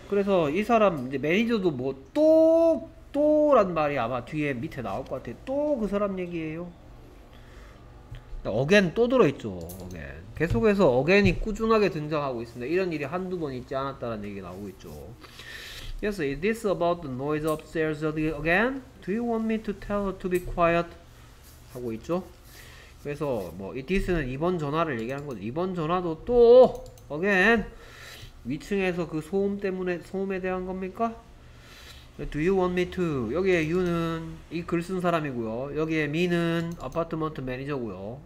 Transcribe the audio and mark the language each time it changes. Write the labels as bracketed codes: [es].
[ko] 그래서 이 사람, 이제 매니저도 뭐, 또란 말이 아마 뒤에 밑에 나올 것 같아. 또그 사람 얘기예요. again 또 들어있죠. again. 계속해서 again이 꾸준하게 등장하고 있습니다. 이런 일이 한두 번 있지 않았다는 얘기가 나오고 있죠. [en] Yes, is this about the noise upstairs again? Do you want me to tell her to be quiet? [ko] 하고 있죠? 그래서 뭐 it is는 이번 전화를 얘기하는 거죠. 이번 전화도 또 again 위층에서 그 소음 때문에 소음에 대한 겁니까? [en] Do you want me to? [ko] 여기에 you는 이글쓴 사람이고요. 여기에 me는 아파트먼트 매니저고요.